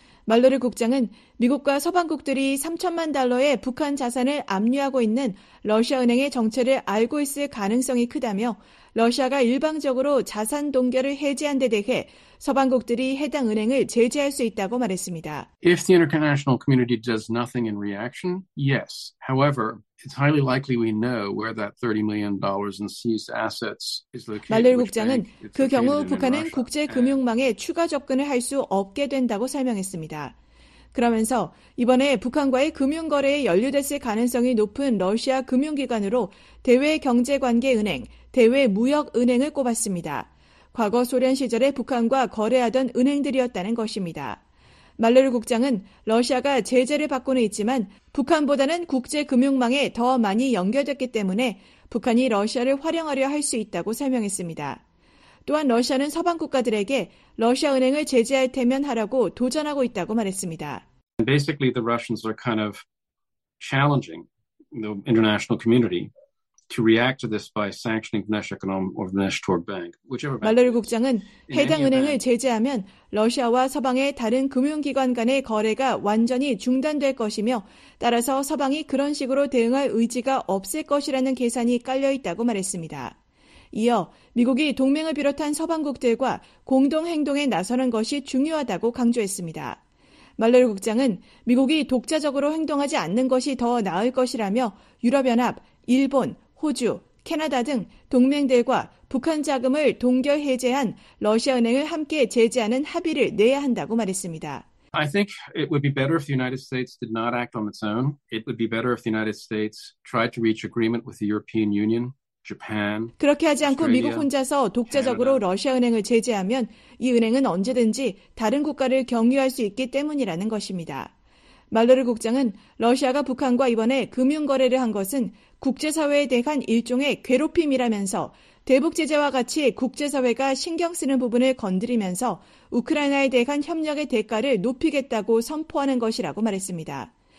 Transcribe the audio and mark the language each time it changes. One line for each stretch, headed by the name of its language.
Korean: 말로르 국장은 미국과 서방국들이 3천만 달러의 북한 자산을 압류하고 있는 러시아 은행의 정체를 알고 있을 가능성이 크다며 러시아가 일방적으로 자산 동결을 해제한 데 대해 서방국들이 해당 은행을 제재할 수 있다고 말했습니다.
English: If the international community does nothing in reaction, yes. However, it's highly likely we know where that $30 million in seized assets is located.
Korean: 말로르 국장은 그 경우 북한은 국제 금융망에 추가 접근을 할 수 없게 된다고 설명했습니다. 그러면서 이번에 북한과의 금융거래에 연루됐을 가능성이 높은 러시아 금융기관으로 대외경제관계은행, 대외무역은행을 꼽았습니다. 과거 소련 시절에 북한과 거래하던 은행들이었다는 것입니다. 말레르 국장은 러시아가 제재를 받고는 있지만 북한보다는 국제금융망에 더 많이 연결됐기 때문에 북한이 러시아를 활용하려 할 수 있다고 설명했습니다. 또한 러시아는 서방 국가들에게 러시아 은행을 제재할 테면 하라고 도전하고 있다고 말했습니다.
English: Basically, the Russians are kind of challenging the international community to react to this by sanctioning Vneshekonom or Vneshtor Bank, whichever bank.
Korean: 말로르 국장은 해당 은행을 제재하면 러시아와 서방의 다른 금융기관 간의 거래가 완전히 중단될 것이며 따라서 서방이 그런 식으로 대응할 의지가 없을 것이라는 계산이 깔려 있다고 말했습니다. 이어 미국이 동맹을 비롯한 서방국들과 공동행동에 나서는 것이 중요하다고 강조했습니다. 말레르 국장은 미국이 독자적으로 행동하지 않는 것이 더 나을 것이라며 유럽연합, 일본, 호주, 캐나다 등 동맹들과 북한 자금을 동결 해제한 러시아 은행을 함께 제재하는 합의를 내야 한다고 말했습니다.
English: I think it would be better if the United States did not act on its own. It would be better if the United States tried to reach agreement with the European Union.
Korean: 그렇게 하지 않고 미국 혼자서 독자적으로 러시아 은행을 제재하면 이 은행은 언제든지 다른 국가를 경유할 수 있기 때문이라는 것입니다. 말러르 국장은 러시아가 북한과 이번에 금융거래를 한 것은 국제사회에 대한 일종의 괴롭힘이라면서 대북 제재와 같이 국제사회가 신경 쓰는 부분을 건드리면서 우크라이나에 대한 협력의 대가를 높이겠다고 선포하는 것이라고 말했습니다.